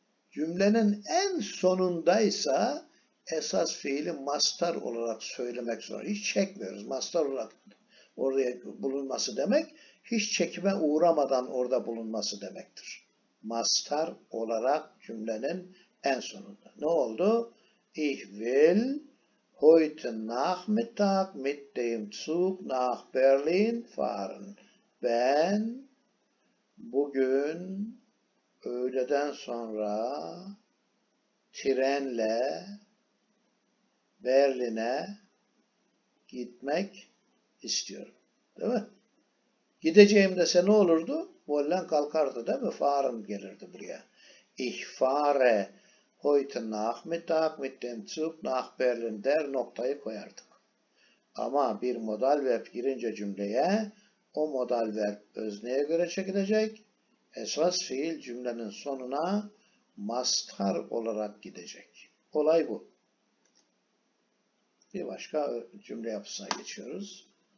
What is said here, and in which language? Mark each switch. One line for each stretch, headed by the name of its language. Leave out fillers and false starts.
Turkish: Cümlenin en sonundaysa esas fiili mastar olarak söylemek zorunda. Hiç çekmiyoruz. Mastar olarak oraya bulunması demek, hiç çekime uğramadan orada bulunması demektir. Mastar olarak cümlenin en sonunda. Ne oldu?
German: Ich will heute Nachmittag mit dem Zug nach Berlin fahren.
Turkish: Ben bugün öğleden sonra trenle Berlin'e gitmek istiyorum. Değil mi? Gideceğim dese ne olurdu? Wollen kalkardı değil mi? Fahren gelirdi buraya.
German: Ich fahre heute Nachmittag mit dem Zug nach Berlin
Turkish: der noktayı koyardık. Ama bir modal verb girince cümleye o modal verb özneye göre çekilecek. Esas fiil cümlenin sonuna mastar olarak gidecek. Olay bu. Bir başka cümle yapısına geçiyoruz.